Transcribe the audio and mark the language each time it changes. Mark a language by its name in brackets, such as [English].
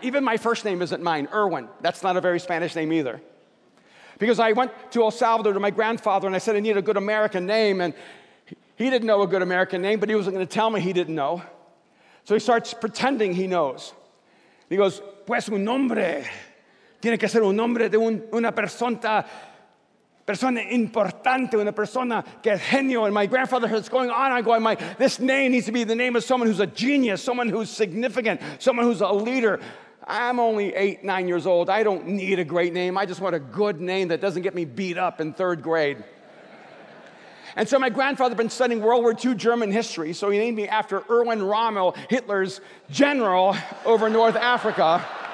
[English] Even my first name isn't mine, Erwin. That's not a very Spanish name either. Because I went to El Salvador to my grandfather, and I said, I need a good American name. And he didn't know a good American name, but he wasn't going to tell me he didn't know. So he starts pretending he knows. [Spanish] He goes, pues un nombre. Tiene que ser un nombre de una persona importante, una persona que es genio. [English] And my grandfather is going on. I'm going, this name needs to be the name of someone who's a genius, someone who's significant, someone who's a leader. I'm only 8, 9 years old. I don't need a great name. I just want a good name that doesn't get me beat up in third grade. And so my grandfather had been studying World War II German history, so he named me after Erwin Rommel, Hitler's general over North Africa.